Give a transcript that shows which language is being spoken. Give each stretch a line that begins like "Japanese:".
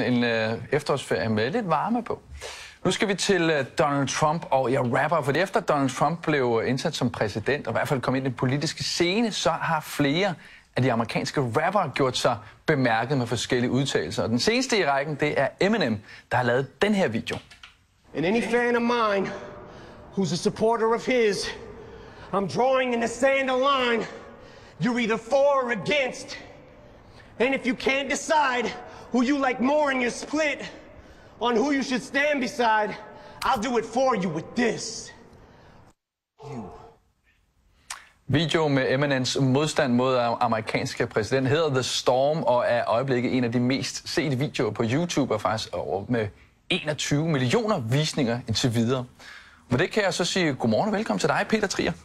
Danish: En efterårsferie med lidt varme på. Nu skal vi til Donald Trump og jeg rapper, fordi efter Donald Trump blev indsat som præsident, og i hvert fald kom ind i den politiske scene, så har flere af de amerikanske rappere gjort sig bemærket med forskellige udtalelser. Og den seneste i rækken, det er Eminem, der har lavet den her video.
English: And any fan of mine, who's a supporter of his, I'm drawing in the sand a line, you're either for or against. And if you can't decide who you like more in your split, on who you should stand beside, I'll do it for you with this. You.
Danish: Video med Eminems modstand mod amerikanske præsident hedder The Storm og er øjeblikket en af de mest set videoer på YouTube og faktisk over med 21 millioner visninger indtil videre. Men det kan jeg så sige godmorgen og velkommen til dig, Peter Trier.